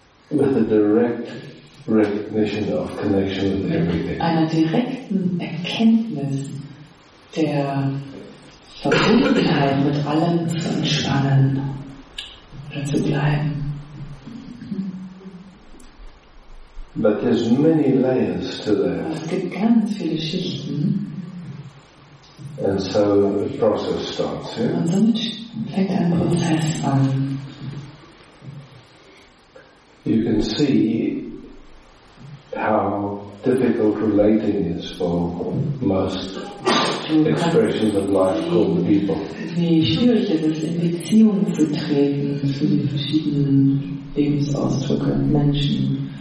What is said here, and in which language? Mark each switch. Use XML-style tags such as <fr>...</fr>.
<en>With a direct recognition of connection with everything.</en> <de>Mit einer direkten Erkenntnis der Verbundenheit mit allem zu entspannen oder zu bleiben.</de> <en>But there's many layers to that.</en> <de>Es gibt ganz viele Schichten.</de> <en>And so the process starts. Yeah?</en> <de>Und damit fängt ein Prozess an.</de> <en>You can see how difficult relating is for most expressions of life called people.</en> <de>Wie schwierig es ist, in Beziehung zu treten zu den verschiedenen Lebensausdrücke und Menschen.</de>